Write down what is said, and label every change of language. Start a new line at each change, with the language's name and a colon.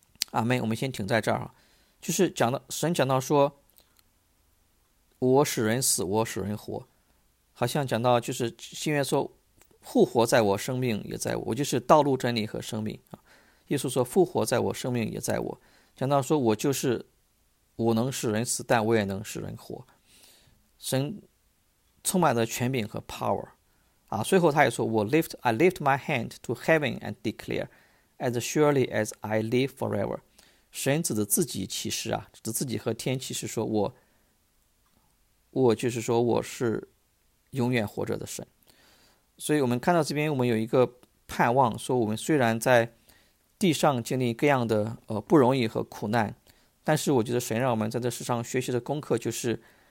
Chinese: 阿门。我们先停在这儿啊，就是讲的神讲到说，我使人死，我使人活，好像讲到就是新约说。复活在我，生命也在我，我就是道路、真理和生命啊。耶稣说：“复活在我，生命也在我。”讲到说，我就是，我能使人死，但我也能使人活。神充满了权柄和 power 啊。最后他也说：“
English: I lift my hand to heaven and declare, as surely as I live forever。
Chinese: ”神指着自己起誓啊，指着自己和天起誓说：“我就是说，我是永远活着的神。” 所以我们看到这边，我们有一个盼望，说我们虽然在地上经历各样的不容易和苦难，但是我觉得神让我们在这世上学习的功课就是，